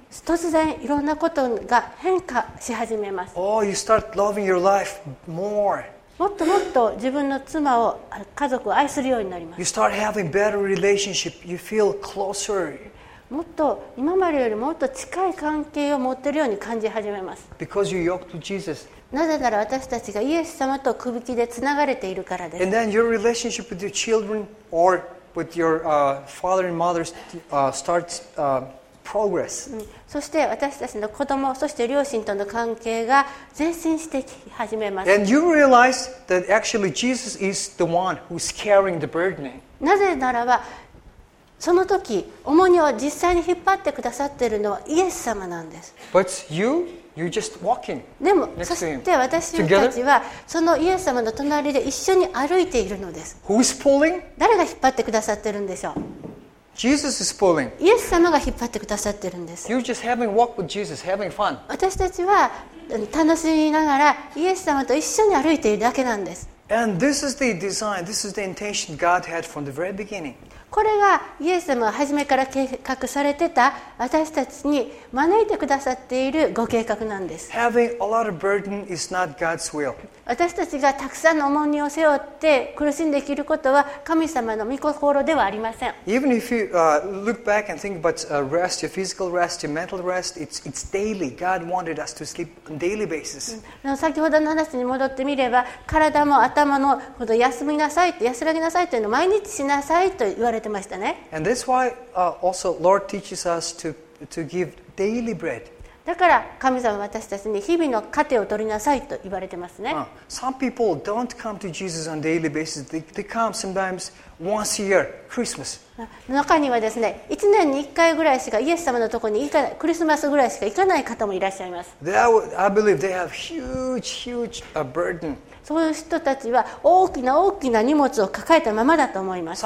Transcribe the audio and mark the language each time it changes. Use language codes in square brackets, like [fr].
[ja] 突然いろんなことが変化し始めます。 [en] Oh, you start loving your life more. [ja] もっともっと自分の妻を家族を愛するようになります。 [en] You start having better relationship. You feel closer. [ja] もっと今までよりもっと近い関係を持っているように感じ始めます。 [en] Because you're yoked to Jesus. [ja] なぜなら私たちがイエス様と首輝きでつながれているからです。 [en] And then your relationship with your children or with your father and mother starts progress. [ja] そして私たちの子供そして両親との関係が前進してき始めます。 [en] And you realize that actually Jesus is the one who's carrying the burden. [ja] なぜならばその時重荷を実際に引っ張ってくださっているのはイエス様なんです。 [en] But you're just walking. [ja] でもそして私たちはそのイエス様の隣で一緒に歩いているのです。 [en] Who's pulling? [ja] 誰が引っ張ってくださっているんでしょう。 [en] Jesus is pulling. [ja] イエス様が引っ張ってくださってるんです。 [en] You're just having walk with Jesus, having fun. [ja] 私たちは楽しみながらイエス様と一緒に歩いているだけなんです。 [en] And this is the design, this is the intention God had from the very beginning. [ja] これがイエス様が初めから計画されてた私たちに招いてくださっているご計画なんです。 [en] Having a lot of burden is not God's will. [ja] 私たちがたくさんの重荷を背負って苦しんで生きることは神様の御心ではありません。 [en] Even if you look back and think about rest, your physical rest, your mental rest, it's daily. God wanted us to sleep on daily basis. [ja] 先ほどの話に戻ってみれば、体も頭のほど休みなさい、安らぎなさいというのを毎日しなさいと言われてましたね。 [en] And that's why also Lord teaches us to give daily bread. [ja] だから神様は私たちに日々の糧を取りなさいと言われてますね。 [en] Some people don't come to Jesus on a daily basis. They come sometimes once a year, Christmas. [ja] 中にはですね、一年に一回ぐらいしかイエス様のところに行かない、クリスマスぐらいしか行かない方もいらっしゃいます。 [en] I believe they have huge burden. [ja] そういう人たちは大きな大きな荷物を抱えたままだと思います。